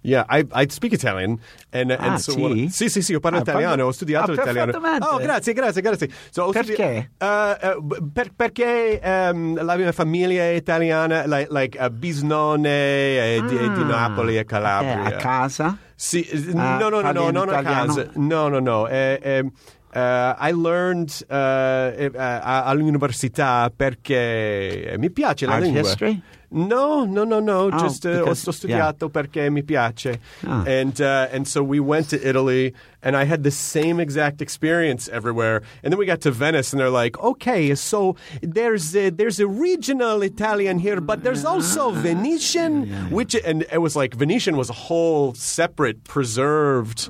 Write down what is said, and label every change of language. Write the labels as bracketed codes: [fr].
[en] Yeah, I speak Italian, and so [it] sì. Sì, io parlo italiano, ho studiato italiano. Oh, grazie. So perché? Perché la mia famiglia è italiana, like bisnonne di Napoli e Calabria. Okay. A casa? Sì, no, non a casa. No. [en] I learned [it] all'università perché mi piace la [en] Art [it] lingua. [en] History? No. [it] Oh, just ho studiato perché mi piace. [en] Oh. And so we went to Italy, and I had the same exact experience everywhere. And then we got to Venice, and they're like, okay, so there's a regional Italian here, but there's also Venetian. Which, and it was like Venetian was a whole separate, preserved.